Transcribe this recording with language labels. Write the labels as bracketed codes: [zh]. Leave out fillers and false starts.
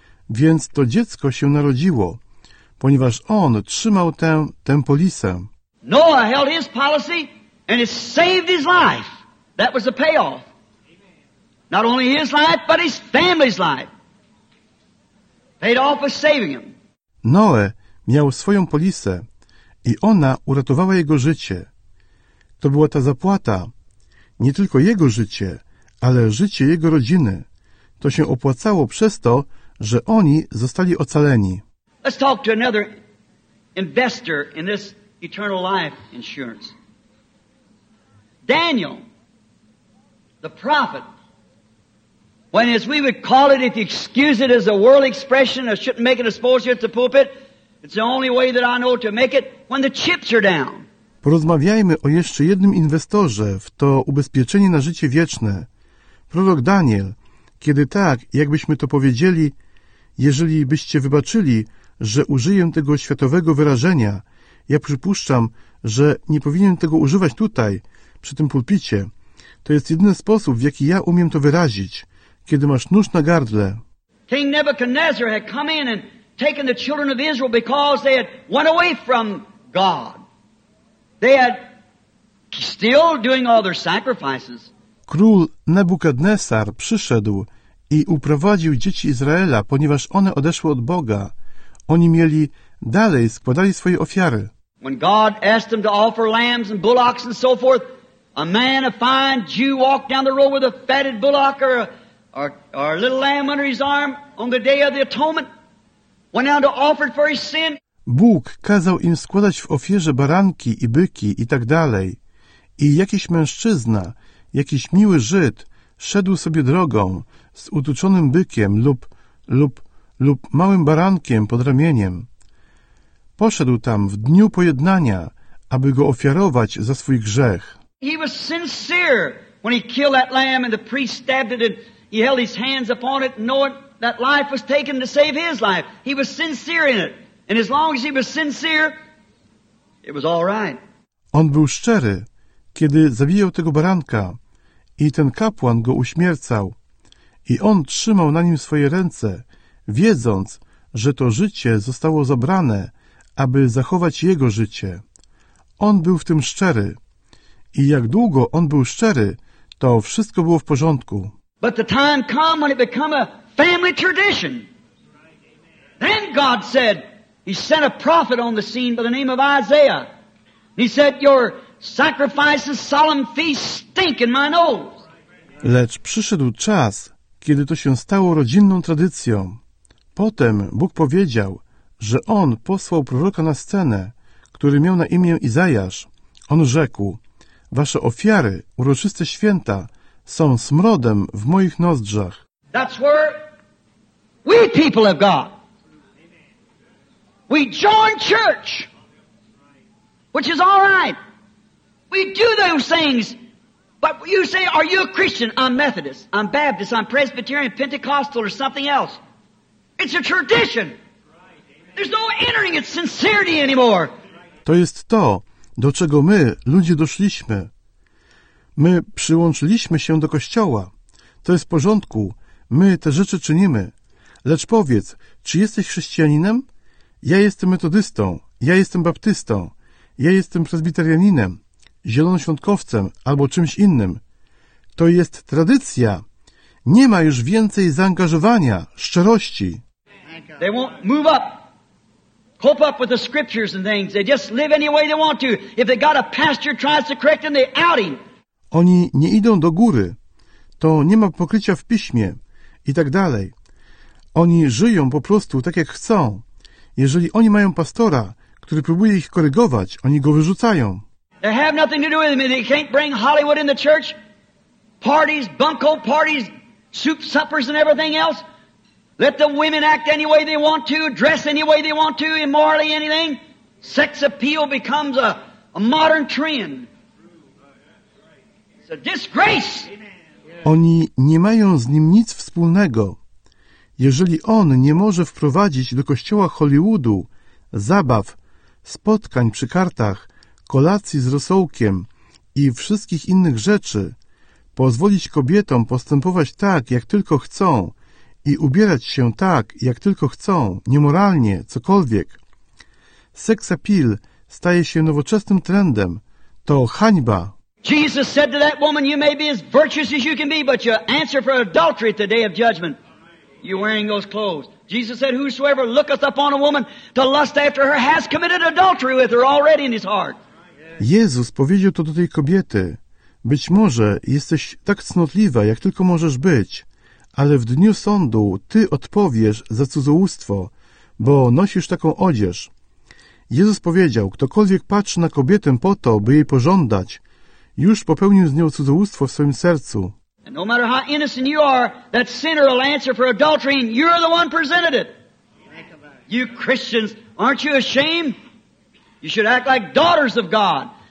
[pl] Więc to dziecko się narodziło, ponieważ on trzymał tę polisę. [en] Noah held his policy and it saved his life. That was the payoff. Not only his life, but his family's life. Paid off with saving him. [pl] Noe miał swoją polisę i ona uratowała jego życie. To była ta zapłata. Nie tylko jego życie, ale życie jego rodziny. To się opłacało przez to, że oni zostali ocaleni. [en] Let's talk to another investor in this eternal life insurance. Daniel, the prophet. When, as we would call it, if you excuse it as a world expression, I shouldn't make it a sports here at the pulpit, it's the only way that I know to make it, when the chips are down. [pl] Porozmawiajmy o jeszcze jednym inwestorze w to ubezpieczenie na życie wieczne. Prorok Daniel, kiedy tak, jakbyśmy to powiedzieli, jeżeli byście wybaczyli, że użyję tego światowego wyrażenia, ja przypuszczam, że nie powinien tego używać tutaj, przy tym pulpicie. To jest jedyny sposób, w jaki ja umiem to wyrazić. Kiedy masz nóż na gardle. [en] King Nebuchadnezzar had come in and taken the children of Israel because they had went away from God. They had still doing all their sacrifices. [pl] Król Nebukadnesar przyszedł i uprowadził dzieci Izraela, ponieważ one odeszły od Boga. Oni mieli dalej składali swoje ofiary. [en] When God asked them to offer lambs and bullocks and so forth, a man, a fine Jew, walked down the road with a fatted bullock or a little lamb under his arm on the day of the atonement, went out to offer it for his sin. [pl] Bóg kazał im składać w ofierze baranki i byki i tak dalej. I jakiś mężczyzna, jakiś miły Żyd, szedł sobie drogą z utuczonym bykiem lub małym barankiem pod ramieniem. Poszedł tam w dniu pojednania, aby go ofiarować za swój grzech. [en] He was sincere when he killed that lamb and the priest stabbed it and he held his hands upon it, knowing that life was taken to save his life. He was sincere in it. And as long as he was sincere, it was all right. [pl] On był szczery, kiedy zabijał tego baranka i ten kapłan go uśmiercał. I on trzymał na nim swoje ręce, wiedząc, że to życie zostało zabrane, aby zachować jego życie. On był w tym szczery. I jak długo on był szczery, to wszystko było w porządku. [en] But the time come when it become a family tradition. Then God said, he sent a prophet on the scene by the name of Isaiah. He said, your sacrifices, solemn feasts stink in my nose. [pl] Lecz przyszedł czas, kiedy to się stało rodzinną tradycją. Potem Bóg powiedział, że on posłał proroka na scenę, który miał na imię Izajasz. On rzekł, wasze ofiary, uroczyste święta, są smrodem w moich nozdrzach. [en] That's where we people of God. We join church, which is all right. We do those things. But you say, are you a Christian? I'm Methodist, I'm Baptist, I'm Presbyterian, Pentecostal, or something else. It's a tradition. There's no entering its sincerity anymore. [pl] To jest to, do czego my, ludzie, doszliśmy. My przyłączyliśmy się do Kościoła. To jest w porządku. My te rzeczy czynimy. Lecz powiedz, czy jesteś chrześcijaninem? Ja jestem metodystą. Ja jestem baptystą. Ja jestem prezbiterianinem, zielonoświątkowcem albo czymś innym. To jest tradycja. Nie ma już więcej zaangażowania, szczerości. [en] They won't move up. Cope up with the scriptures and things. They just live any way they want to. If they got a pastor tries to correct them, they out him. [pl] Oni nie idą do góry, to nie ma pokrycia w piśmie i tak dalej. Oni żyją po prostu tak, jak chcą. Jeżeli oni mają pastora, który próbuje ich korygować, oni go wyrzucają. [en] They have nothing to do with me. They can't bring Hollywood in the church. Parties, bunco parties, soup suppers and everything else. Let the women act any way they want to, dress any way they want to, immorally anything. Sex appeal becomes a modern trend. It's a disgrace. [pl] Oni nie mają z nim nic wspólnego. Jeżeli on nie może wprowadzić do kościoła Hollywoodu zabaw, spotkań przy kartach, kolacji z rosołkiem i wszystkich innych rzeczy, pozwolić kobietom postępować tak, jak tylko chcą i ubierać się tak, jak tylko chcą, niemoralnie, cokolwiek. Sex appeal staje się nowoczesnym trendem. To hańba. [en] Jesus said to that woman, you may be as virtuous as you can be, but you answer for adultery at the day of judgment. You're wearing those clothes. Jesus said, whosoever looketh upon a woman to lust after her has committed adultery with her already in his heart. [pl] Jezus powiedział to do tej kobiety. Być może jesteś tak cnotliwa, jak tylko możesz być, ale w dniu sądu ty odpowiesz za cudzołóstwo, bo nosisz taką odzież. Jezus powiedział, ktokolwiek patrzy na kobietę po to, by jej pożądać, już popełnił z nią cudzołóstwo w swoim sercu. [en] No matter how innocent you are, that sinner will answer for adultery, and you're the one presented it. You Christians, aren't you ashamed? You should act like daughters of God.